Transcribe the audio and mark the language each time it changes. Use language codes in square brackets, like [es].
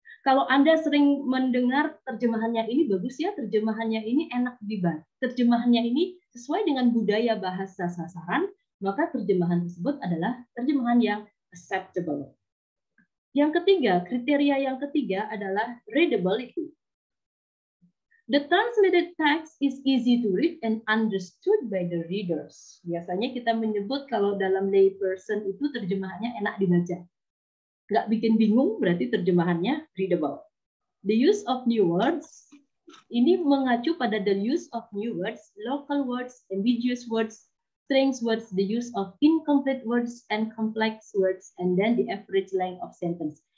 [id] Kalau Anda sering mendengar terjemahannya ini bagus ya, terjemahannya ini enak dibaca, terjemahannya ini sesuai dengan budaya bahasa sasaran, maka terjemahan tersebut adalah terjemahan yang acceptable. Yang ketiga, kriteria yang ketiga adalah readability. [en] The translated text is easy to read and understood by the readers. [id] Biasanya kita menyebut kalau dalam layperson itu terjemahannya enak dibaca. Nggak bikin bingung, berarti terjemahannya readable. [en] The use of new words, [id] ini mengacu pada [en] the use of new words, local words, ambiguous words, strange words, the use of incomplete words and complex words, and then the average length of sentence.